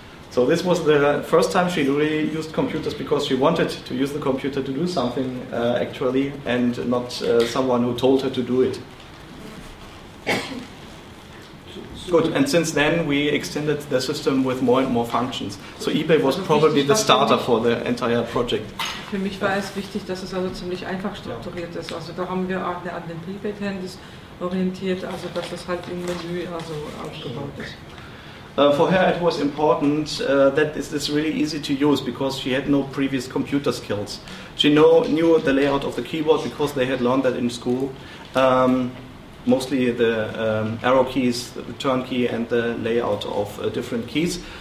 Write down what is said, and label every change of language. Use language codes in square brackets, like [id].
[en] So this was the first time she really used computers because she wanted to use the computer to do something actually, and not someone who told her to do it. Good, and since then we extended the system with more and more functions. So eBay was probably the starter for the entire project. [de] Für mich war es wichtig, dass es also ziemlich einfach strukturiert ist. Also da haben wir auch an den Pre-Backends orientiert, also dass es halt im Menü also aufgebaut ist. [en] For her it was important that this is really easy to use because she had no previous computer skills. She knew the layout of the keyboard because they had learned that in school. Mostly the arrow keys, the turn key, and the layout of different keys.